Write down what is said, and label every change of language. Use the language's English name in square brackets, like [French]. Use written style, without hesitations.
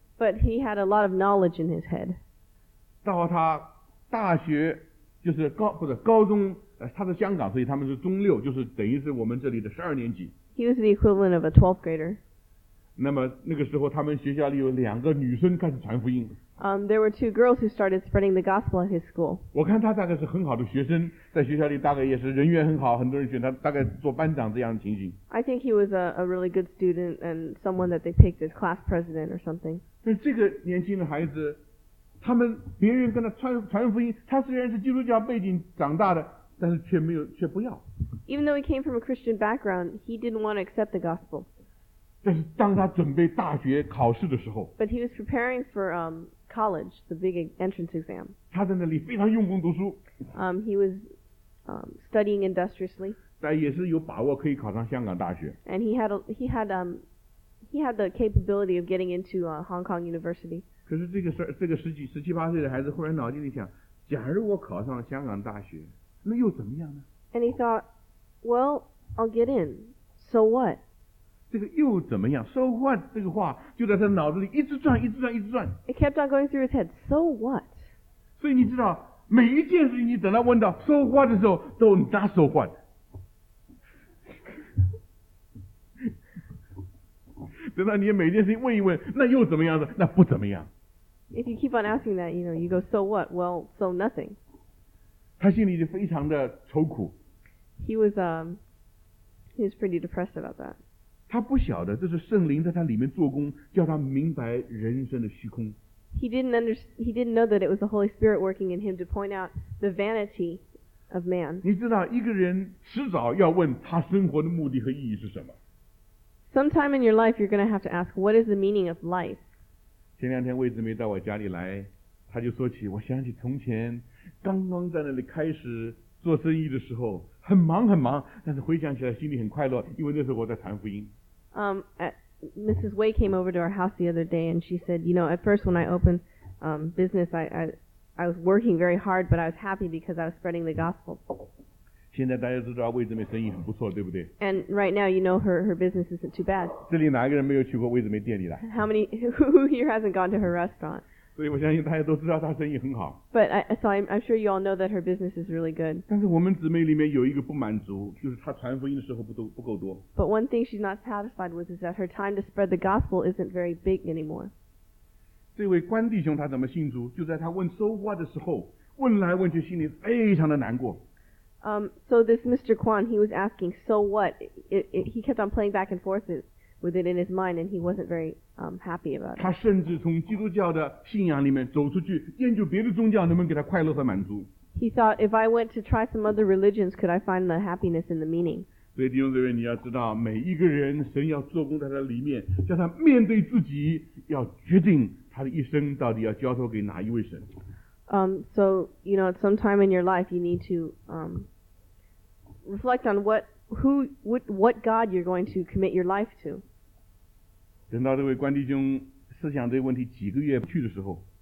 [English] But he had a lot of knowledge in his head. [Chinese] 到他大学就是高中他是香港所以他们是中六就是等于是我们这里的十二年级 [English] He was the equivalent of a 12th grader [Chinese] 那么那个时候他们学校里有两个女生开始传福音、 [English] There were two girls who started spreading the gospel at his school [Chinese] 我看他大概是很好的学生在学校里大概也是人缘很好很多人选他大概做班长这样的情形 [English] I think he was a really good student and someone that they picked as class president or something [Chinese] 但这个年轻的孩子他们别人跟他 传福音他虽然是基督教背景长大的但是却没有却不要 [English] Even though he came from a Christian background he didn't want to accept the gospel [Chinese] 但是当他准备大学考试的时候 [English] But he was preparing for college the big entrance exam [Chinese] 他在那里非常用功读书 [English] He was studying industriously [Chinese] 但也是有把握可以考上香港大学 [English] And he had the capability of getting into Hong Kong University [Chinese] 可是这个十七八岁的孩子忽然脑筋里想，假如我考上香港大学，那又怎么样呢 [English] ？And he thought, well, I'll get in. So what? [Chinese] 这个又怎么样 ？ [English] So what? [Chinese] 这个话就在他脑子里一直转，一直转，一直转。 [English] It kept on going through his head. So what? [Chinese] 所以你知道，每一件事情你等到问到 [English] so what [Chinese] 的时候，都 [English] not so what。 [Chinese] 神啊，你每件事情问一问，那又怎么样呢？那不怎么样。 [English] If you keep on asking that, you know, you go, so what? Well, so nothing. [Chinese] 他心里就非常的愁苦。 [English] He was pretty depressed about that. [Chinese] 他不晓得这是圣灵在他里面做工，叫他明白人生的虚空。 [English] He didn't know that it was the Holy Spirit working in him to point out the vanity of man. [Chinese] 你知道一个人迟早要问他生活的目的和意义是什么。 [English] Sometime in your life, you're going to have to ask, what is the meaning of life? [Chinese] 前两天魏姊妹到我家里来，她就说起，我想起从前刚刚在那里开始做生意的时候，很忙很忙，但是回想起来心里很快乐，因为那时候我在传福音。 [English] Mrs. Wei came over to our house the other day and she said, you know, at first when I opened business, I was working very hard, but I was happy because I was spreading the gospel. [Chinese] 现在大家都知道魏姊妹生意很不错，对不对？ [English] And right now, you know, her business isn't too bad. [Chinese] 这里哪个人没有去过魏姊妹店里来？ [English] Who here hasn't gone to her restaurant? [Chinese] 所以我相信大家都知道她生意很好。 [English] But I'm sure you all know that her business is really good. [Chinese] 但是我们姊妹里面有一个不满足，就是她传福音的时候不够多。 [English] But one thing she's not satisfied with is that her time to spread the gospel isn't very big anymore. [Chinese] 这位关弟兄他怎么信主？就在他问 [English] so what [Chinese] 的时候，问来问去，心里非常的难过。 [English] So this Mr. Kwan, he was asking, so what? He kept on playing back and forth with it in his mind, and he wasn't very happy about it. [Chinese] 他甚至从基督教的信仰里面走出去，研究别的宗教能不能给他快乐和满足。 [English] He thought, if I went to try some other religions, could I find the happiness and the meaning? [Chinese] 所以弟兄姊妹，你要知道，每一个人神要做工在他里面，叫他面对自己，要决定他的一生到底要交托给哪一位神。 [English] So, you know, at some time in your life, you need to reflect on what God you're going to commit your life to. [Chinese] 等到这位关弟兄思想这个问题几个月不去的时候，